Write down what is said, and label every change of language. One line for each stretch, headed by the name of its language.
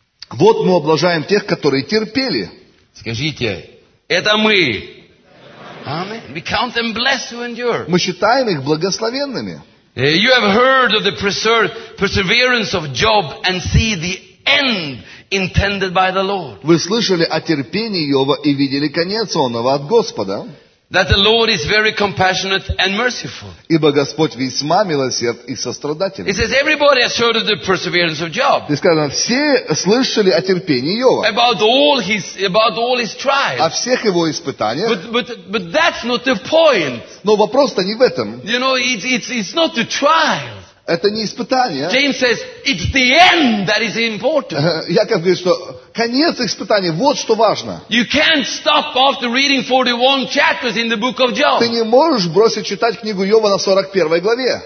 Russian: Вот мы облажаем тех, которые терпели. Скажите, это мы. Amen.
English: We count them blessed who endure.
Russian: Мы считаем их благословенными.
English: You have heard of the perseverance of Job and see the end intended by the Lord.
Russian: Вы слышали о терпении Иова и видели конец онного от Господа.
English: That the Lord is very compassionate and merciful.
Russian: Ибо Господь весьма милосерд и сострадательный.
English: It says everybody has heard of the perseverance of Job.
Russian: И сказано, все слышали о терпении Иова.
English: About all his trials.
Russian: О всех его испытаниях.
English: But that's not the point.
Russian: Но вопрос-то не в этом.
English: You know, it's not the trials.
Russian: Это не испытание.
English: James says it's the end that is important.
Russian: Яков говорит, что конец испытаний, вот что важно.
English: You can't stop after reading 41 chapters in the book of Job.
Russian: Ты не можешь бросить читать книгу Йова на 41 главе.